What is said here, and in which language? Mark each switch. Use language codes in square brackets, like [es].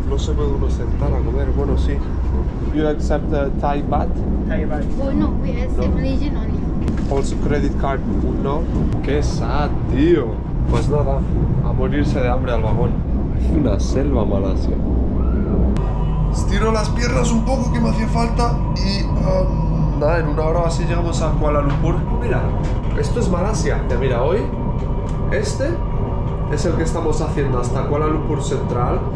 [es] No se puede uno sentar a comer, bueno, sí. [en] You accept the Thai baht? Thai baht. Oh, no, we accept religion only. Also credit card, no. [es] Qué sad, tío. Pues nada, a morirse de hambre al vagón. Una selva malasia. Estiro las piernas un poco que me hacía falta y nada, en una hora así llegamos a Kuala Lumpur. Mira, esto es Malasia. Mira, hoy este es el que estamos haciendo hasta Kuala Lumpur Central.